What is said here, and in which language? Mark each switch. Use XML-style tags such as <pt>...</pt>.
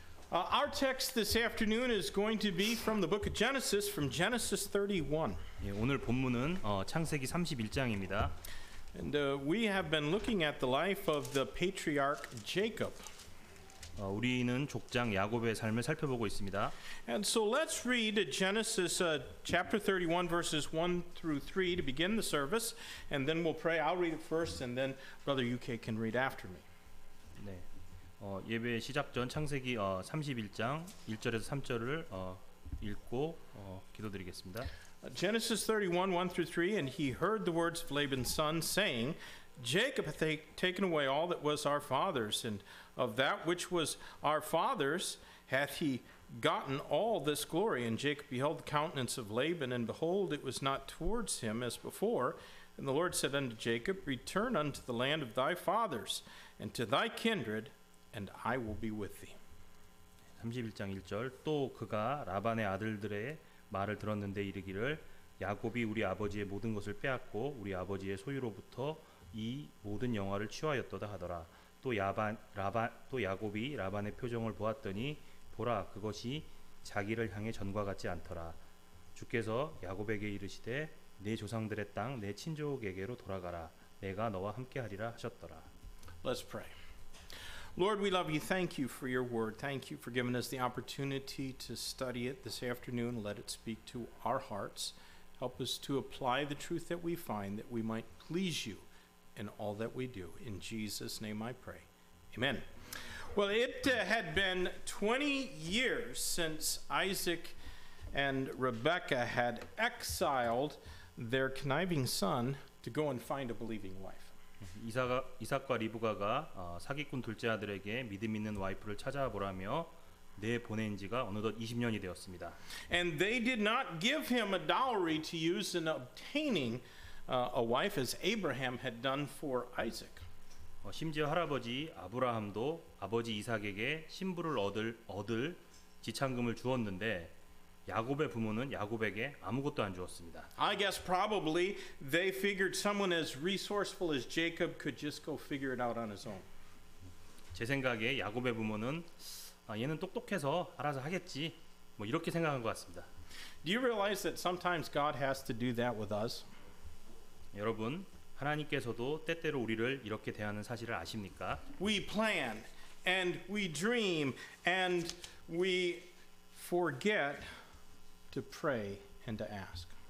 <en>Our text this afternoon is going to be from the book of Genesis, from Genesis 31.</en> <ko>예, 오늘 본문은 창세기 31장입니다.</ko> <en>And we have been looking at the life of the patriarch Jacob.</en> <ko>우리는 족장 야곱의 삶을 살펴보고 있습니다.</ko> <en>And so let's read Genesis chapter 31 verses 1 through 3 to begin the service, and then we'll pray. I'll read it first, and then Brother UK can read after me.</en> <ko>네. 예배 시작 전 창세기 31장 1절에서 3절을 읽고 기도드리겠습니다.</ko> <en>Genesis 31, 1 through 3, and he heard the words of Laban's son, saying, Jacob hath taken away all that was our father's, and of that which was our father's hath he gotten all this glory. And Jacob beheld the countenance of Laban, and behold, it was not towards him as before. And the Lord said unto Jacob, Return unto the land of thy fathers, and to thy kindred, and I will be with thee.</en> <ko>31장 1절, 또 그가 라반의 아들들의 말을 들었는데 이르기를 야곱이 우리 아버지의 모든 것을 빼앗고 우리 아버지의 소유로부터 이 모든 영화를 취하였도다 하더라. 또 야곱이 라반의 표정을 보았더니 보라 그것이 자기를 향해 전과 같지 않더라. 주께서 야곱에게 이르시되 내 조상들의 땅 내 친족에게로 돌아가라. 내가 너와 함께 하리라 하셨더라.</ko> <en>Let's pray. Lord, we love you. Thank you for your word. Thank you for giving us the opportunity to study it this afternoon. Let it speak to our hearts. Help us to apply the truth that we find that we might please you in all that we do. In Jesus' name I pray. Amen. Well, it had been 20 years since Isaac and Rebekah had exiled their conniving son to go and find a believing wife.</en> <ko>이삭과 리브가가 사기꾼 둘째 아들에게 믿음 있는 와이프를 찾아보라며 내 보낸 지가 어느덧 20년이 되었습니다.</ko> <en>And they did not give him a dowry to use in obtaining a wife as Abraham had done for Isaac.</en> <ko>심지어 할아버지 아브라함도 아버지 이삭에게 신부를 얻을 지참금을 주었는데 야곱의 부모는 야곱에게 아무것도 안 주었습니다.</ko> <en>I guess probably they figured someone as resourceful as Jacob could just go figure it out on his own.</en> <ko>제 생각에 야곱의 부모는 얘는 똑똑해서 알아서 하겠지. 뭐 이렇게 생각한 것 같습니다.</ko> <en>Do you realize that sometimes God has to do that with us?</en> <ko>여러분, 하나님께서도 때때로 우리를 이렇게 대하는 사실을 아십니까?</ko> <en>We plan and we dream and we forget to pray and to ask.</en>